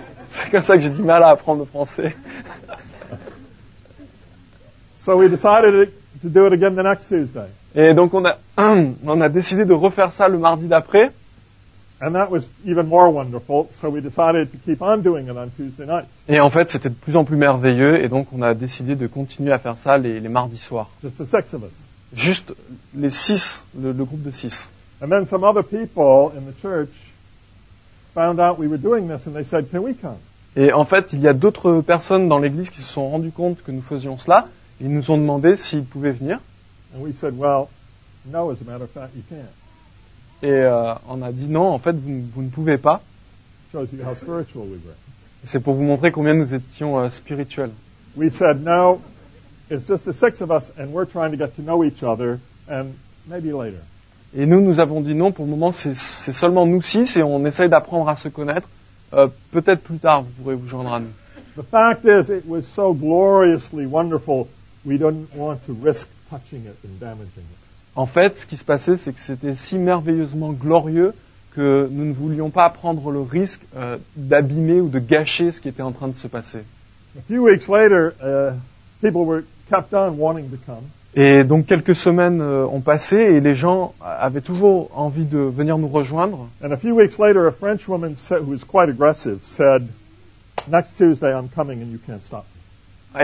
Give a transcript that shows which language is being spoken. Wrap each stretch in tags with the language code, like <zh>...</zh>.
<fr>C'est comme ça que j'ai du mal à apprendre le français.</fr> <en>So we decided to do it again the next Tuesday.</en> <fr>Et donc on a décidé de refaire ça le mardi d'après.</fr> <en>And that was even more wonderful, so we decided to keep on doing it on Tuesday nights.</en> <fr>Et en fait, c'était de plus en plus merveilleux, et donc on a décidé de continuer à faire ça les mardis soirs.</fr> <en>Just the six of us.</en> <fr>Juste les six, le groupe de six.</fr> <en>And then some other people in the church found out we were doing this, and they said, "Can we come?"</en> <fr>Et en fait, il y a d'autres personnes dans l'église qui se sont rendues compte que nous faisions cela. Ils nous ont demandé s'ils pouvaient venir.</fr> <en>And we said, "Well, no, as a matter of fact, you can't."</en> <fr>Et on a dit non, en fait, vous ne pouvez pas.</fr> <en>Shows you how spiritual we were.</en> <fr>Et c'est pour vous montrer combien nous étions spirituels.</fr> <en>We said, no, it's just the six of us, and we're trying to get to know each other, and maybe later.</en> <fr>Et nous avons dit non, pour le moment, c'est seulement nous six, et on essaye d'apprendre à se connaître. Peut-être plus tard, vous pourrez vous joindre à nous.</fr> <en>The fact is, it was so gloriously wonderful, we didn't want to risk touching it and damaging it.</en> <fr>En fait, ce qui se passait, c'est que c'était si merveilleusement glorieux que nous ne voulions pas prendre le risque d'abîmer ou de gâcher ce qui était en train de se passer.</fr> <en>A few weeks later, people were kept on wanting to come.</en> <fr>Et donc, quelques semaines ont passé et les gens avaient toujours envie de venir nous rejoindre.</fr> <en>And a few weeks later, a French woman who was quite aggressive said, "Next Tuesday, I'm coming and you can't stop me."</en>